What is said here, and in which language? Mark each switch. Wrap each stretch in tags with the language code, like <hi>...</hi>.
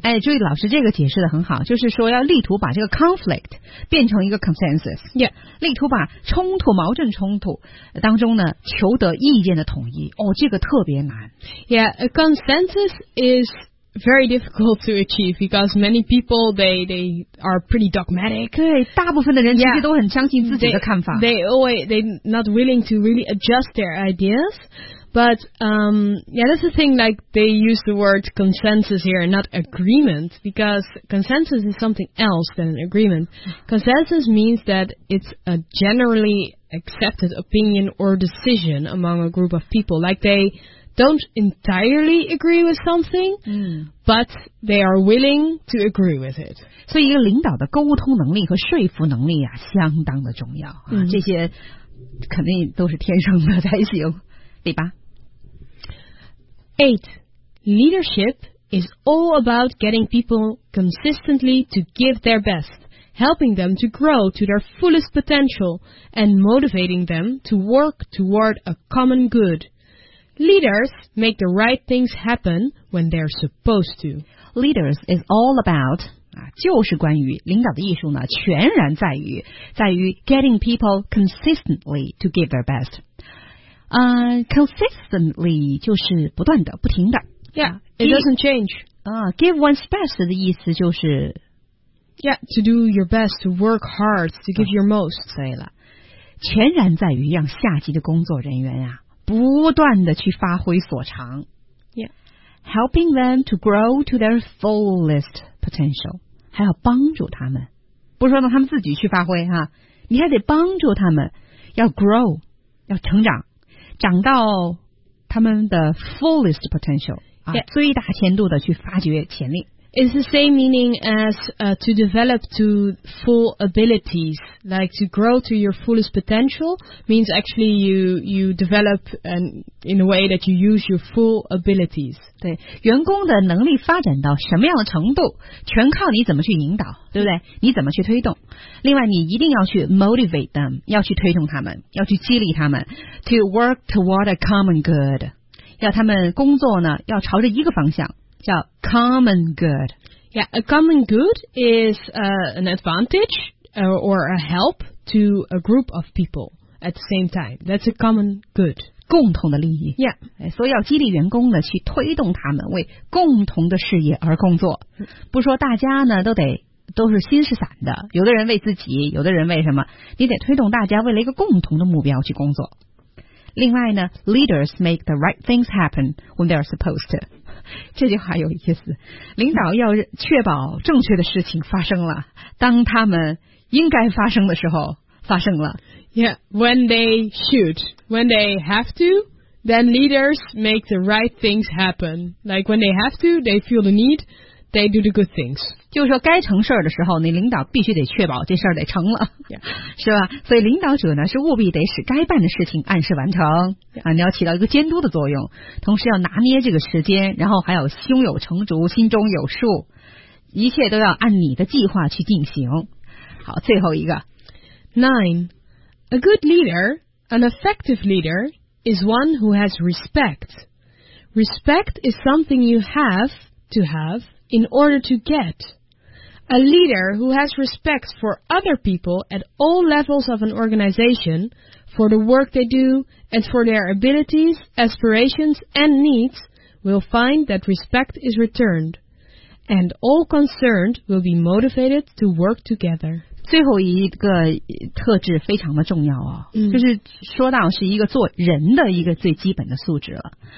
<zh>哎，注意老师这个解释的很好，就是说要力图把这个 conflict 变成一个 consensus.</zh> <en>Yeah,</en> <zh>力图把冲突、矛盾冲突当中呢求得意见的统一。哦，这个特别难。</zh> <en>Yeah, a consensus is. Very difficult to achieve because many people they are pretty dogmatic.</en> <zh>对，大部分的人其实都很相信自己的看法。</zh> <en>Yeah, they not willing to really adjust their ideas. But yeah, that's the thing. Like they use the word consensus here, not agreement, because consensus is something else than an agreement. Consensus means that it's a generally accepted opinion or decision among a group of people. Like they. Don't entirely agree with something, but they are willing to agree with it.</en> <zh>所以，一个领导的沟通能力和说服能力啊，相当的重要啊。这些肯定都是天生的才行，对吧</zh> <en>？Eight, leadership is all about getting people consistently to give their best, helping them to grow to their fullest potential, and motivating them to work toward a common good.Leaders make the right things happen when they're supposed to. leaders is all about</en> <zh>啊，就是关于领导的艺术呢，全然在于</zh> <en>getting people consistently to give their best。</en> <zh>Consistently 就是不断的、不停的。</zh> <en>Yeah, it doesn't change. Give one's best</en> <zh>的意思就是</zh> <en>，Yeah, to do your best, to work hard, to give your most.</en> <zh>对了，全然在于让下级的工作人员呀、不断的去发挥所长。</zh> <en>Yeah, helping them to grow to their fullest potential.</en> <zh>还要帮助他们，不是说让他们自己去发挥哈，你还得帮助他们要 grow， 要成长。长到他们的 fullest potential、</zh> <en>yeah.</en> <zh>最大限度的去发掘潜力。</zh> <en>It's the same meaning as、to develop to full abilities. Like to grow to your fullest potential means actually you develop in a way that you use your full abilities.</en> <zh>对，员工的能力发展到什么样的程度，全靠你怎么去引导，对不对？你怎么去推动？另外，你一定要去</zh> <en>motivate them，</en> <zh>要去推动他们，要去激励他们 ，</zh> <en>to work toward a common good，</en> <zh>要他们工作呢，要朝着一个方向。叫 common good.</zh> <en>Yeah, a common good is an advantage or a help to a group of people at the same time. That's a common good.</en> <zh>共同的利益。</zh> <en>Yeah.</en> <zh>所以要激励员工呢，去推动他们为共同的事业而工作。不说大家呢，都是心是散的，有的人为自己，有的人为什么，你得推动大家为了一个共同的目标去工作。另外呢，</zh> <en>leaders make the right things happen when they're supposed to.</en> <zh>这句话有意思，领导要确保正确的事情发生了，当他们应该发生的时候发生了。</zh> <en>Yeah, when they should, when they have to, then leaders make the right things happen. Like when they have to, they feel the need, they do the good things.</en> <zh>就是说该成事儿的时候，那领导必须得确保这事儿得成了、是吧？所以领导者呢，是务必得使该办的事情按时完成、你要起到一个监督的作用，同时要拿捏这个时间，然后还要胸有成竹，心中有数，一切都要按你的计划去进行。好，最后一个</zh> <en>9. A good leader, an effective leader, is one who has respect. Respect is something you have to haveIn order to get, a leader who has respect for other people at all levels of an organization, for the work they do, and for their abilities, aspirations, and needs, will find that respect is returned, and all concerned will be motivated to work together.</en> <zh>最后一个特质非常的重要啊、就是说到是一个做人的一个最基本的素质了。</zh>